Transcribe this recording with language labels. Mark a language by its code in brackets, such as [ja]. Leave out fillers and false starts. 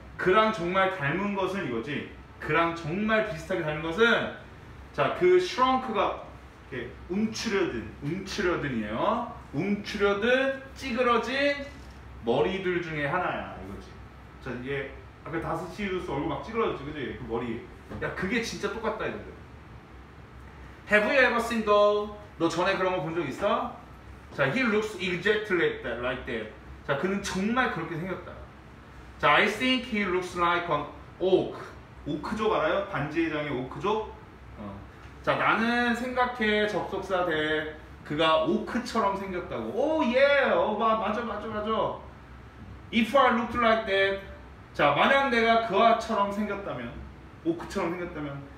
[ko] 그랑 정말 닮은 것은 이거지. 그랑 정말 비슷하게 닮은 것은, 자, 그 shrunk가 이렇게 움츠려든, 움츠려든이에요. 움츠려든, 찌그러진 머리들 중에 하나야, 이거지. 자, 이게, 아까 다스시우스 얼굴 막 찌그러졌지, 그지? 그 머리. 야, 그게 진짜 똑같다, 이거. [en] Have you ever seen though? [ko] 너 전에 그런 거 본 적 있어? [en] 자, he looks exactly like that, like that. [ko] 자, 그는 정말 그렇게 생겼다. [en] 자, I think he looks like an oak. [ko] 오크족 알아요? 반지의장의 오크족? 자, 나는 생각해, 접속사 대. 그가 오크처럼 생겼다고. 오, 예! 맞아. [en] If I looked like that. [ko] 자, 만약 내가 그와처럼 생겼다면. 오크처럼 생겼다면.